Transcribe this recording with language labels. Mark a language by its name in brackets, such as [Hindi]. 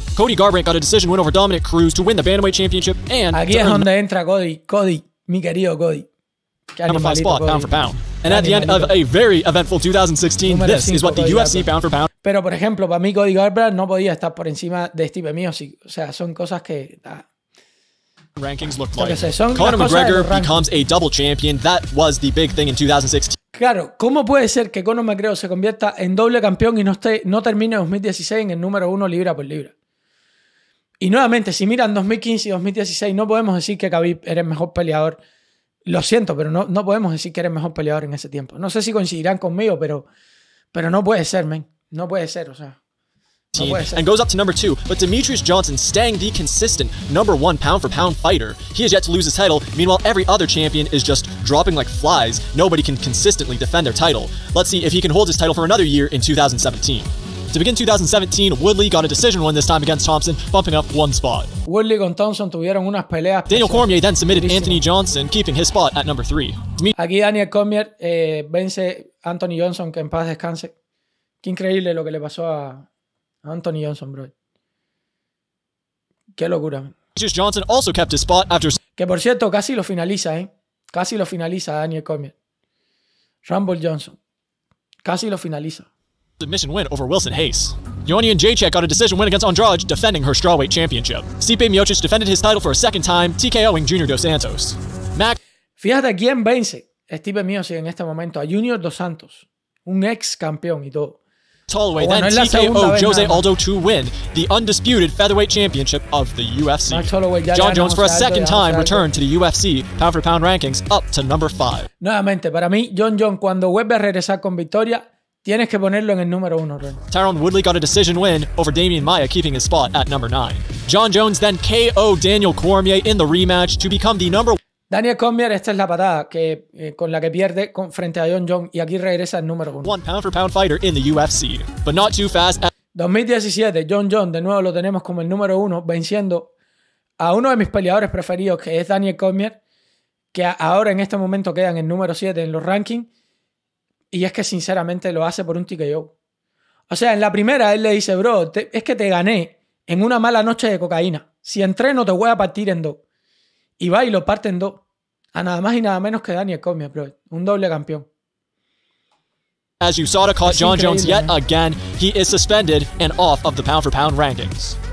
[English] Cody Garbrandt got a decision win over Dominic Cruz to win the bantamweight championship and. [Spanish] Aquí es donde entra Cody. Cody, mi querido Cody. [English] Number 5 spot, pound for pound. And at the end of a very eventful 2016, this is what the UFC pound for pound. [Spanish] Pero, por ejemplo, para mí Cody Garbrandt no podía estar por encima de Stipe Miocic. O sea, son cosas que. [English] Rankings look like. Conor McGregor becomes a double champion. That was the big thing in 2016. [Spanish] Claro, ¿cómo puede ser que Conor McGregor se convierta en doble campeón y no termine 2016 en el número 1 libra por libra? Y nuevamente, si miran 2015 y 2016, no podemos decir que Khabib era el mejor peleador. Lo siento, pero no podemos decir que era el mejor peleador en ese tiempo. No sé si coincidirán conmigo, pero no puede ser, men. No puede ser, o sea. [English] And goes up to number 2, but Demetrius Johnson staying the consistent number 1 pound for pound fighter. He has yet to lose his title, meanwhile every other champion is just dropping like flies. Nobody can consistently defend their title. Let's see if he can hold his title for another year in 2017. To begin 2017, Woodley got a decision win this time against Thompson, bumping up one spot. [Spanish] Woodley con Thompson tuvieron unas peleas. [English] Daniel Cormier then submitted Anthony Johnson, keeping his spot at number 3. [Spanish] Aquí Daniel Cormier vence Anthony Johnson, que en paz descanse. Qué increíble lo que le pasó a Anthony Johnson, bro. Qué locura. [English] Demetrius Johnson also kept his spot after. [Spanish] Que por cierto, casi lo finaliza, ¿eh? Casi lo finaliza Daniel Cormier. Rumble Johnson. Casi lo finaliza. [English] Submission win over Wilson Hayes. Joanna and Jacek got a decision win against Andrade, defending her strawweight championship. Stipe Miocic defended his title for a second time, TKOing Junior Dos Santos. Mac. [Spanish] Fíjate quién vence. Stipe Miocic en este momento a Junior Dos Santos, un ex campeón y todo. [English] Tallway, then TKO Jose Aldo to win the undisputed featherweight championship of the UFC. John Jones for a second time returned to the UFC pound for pound rankings up to number 5. Nuevamente, para mí, John Jones, cuando vuelve a regresar con victoria, tienes que ponerlo en el número 1. Tyron Woodley got a decision win over Damian Maia, keeping his spot at number 9. John Jones then KO Daniel Cormier in the rematch to become the number 1. [Spanish] Daniel Cormier, esta es la patada que, con la que pierde con, frente a John Jones, y aquí regresa al número 1. [English] One pound for pound fighter in the UFC, but not too fast. [Spanish] 2017, John Jones, de nuevo lo tenemos como el número 1, venciendo a uno de mis peleadores preferidos, que es Daniel Cormier, que ahora en este momento queda en el número 7 en los rankings, y es que sinceramente lo hace por un TKO. O sea, en la primera él le dice, bro, es que te gané en una mala noche de cocaína. Si entreno te voy a partir en dos. Y va y lo parte en dos. A nada más y nada menos que Daniel Cormier, bro. Un doble campeón. [English] As USADA caught John Jones yet again, he is suspended and off of the pound for pound rankings.